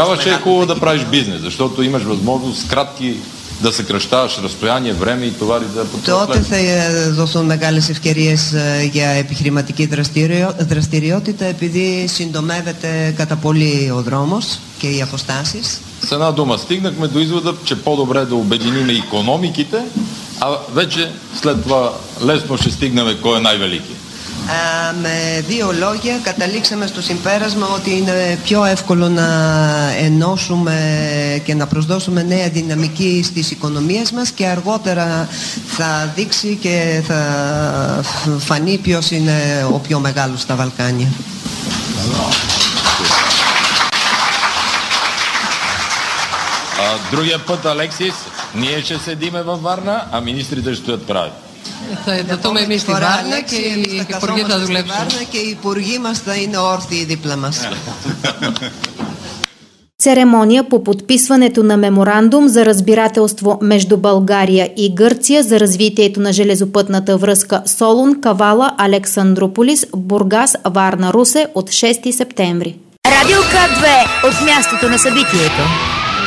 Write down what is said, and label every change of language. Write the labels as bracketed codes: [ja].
[bg] Тогава ще е хубаво да правиш бизнес, защото имаш възможност кратки да съкръщаваш разстояние, време и товари да потърпят. Тогава ще дадат [el] мегалес ευκαιρίες για επιχειρηματική δραστηριότητα, επειδή συντομεύεται κατά πολύ ο δρόμος και οι αποστάσεις. [bg] С една дума, стигнахме до извода, че по-добре да обединим икономиките, а вече след това лесно ще стигнем кой е най-велики. [el] Με δύο λόγια καταλήξαμε στο συμπέρασμα ότι είναι πιο εύκολο να ενώσουμε και να προσδώσουμε νέα δυναμική στις οικονομίες μας και αργότερα θα δείξει και θα φανεί ποιος είναι ο πιο μεγάλος στα Βαλκάνια. [bg] Другия път, Алексис, ние ще седиме във Варна, а министрите ще стоят прави. [el] Θα ενταθούμε εμεί στη Βάρνα και οι υπουργοί θα δουλέψουν. Στη Βάρνα και οι υπουργοί μα θα είναι όρθιοι δίπλα μα. [bg] Церемония по подписването на меморандум за разбирателство между България и Гърция за развитието на железопътната връзка Солун, Кавала, Александрополис, Бургас, Варна, Русе от 6 септември. Радио К2 от мястото на събитието.